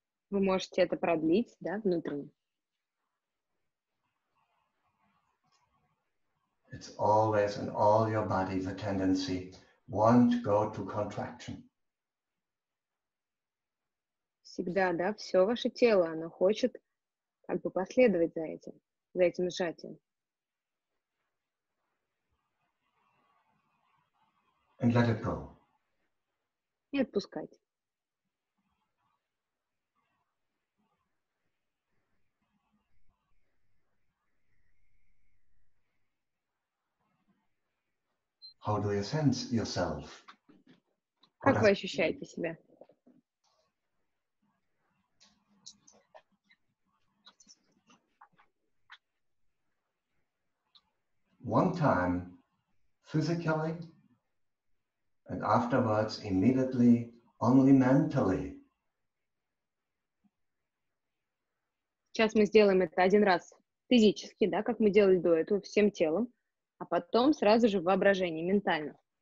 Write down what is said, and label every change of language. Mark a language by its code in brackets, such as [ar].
[ru] Вы можете это продлить, да, внутренне. [en] It's always in all your body the tendency want to go to contraction. [ru] Всегда, да, все ваше тело, оно хочет как бы последовать за этим сжатием. [en] And let it go. [ru] И отпускать. [en] How do you sense yourself? [ru] Как вы ощущаете себя? [en] One time, physically, and afterwards, immediately, only mentally. [ru] Сейчас мы сделаем это один раз физически, да, как мы делали до этого всем телом. А потом сразу же в воображении, ментально.